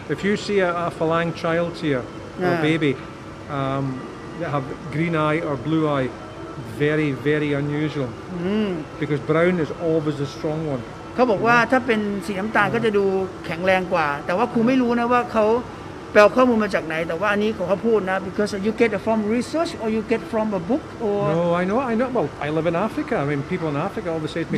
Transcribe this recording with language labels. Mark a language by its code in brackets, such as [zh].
[en] if you see a falang child here or baby that have green eye or blue eye very very unusual because brown is always the strong one [th] เขาบอกว่าถ้าเป็นสีน้ำตาลก็จะดูแข็งแรงกว่าแต่ว่าครูไม่รู้นะว่าเขาแปลข้อมูลมาจากไหนแต่ว่าอันนี้เขาพูดนะ [en] because you get it from research or you get from a book or no I know well I live in Africa I mean people in Africa always say to me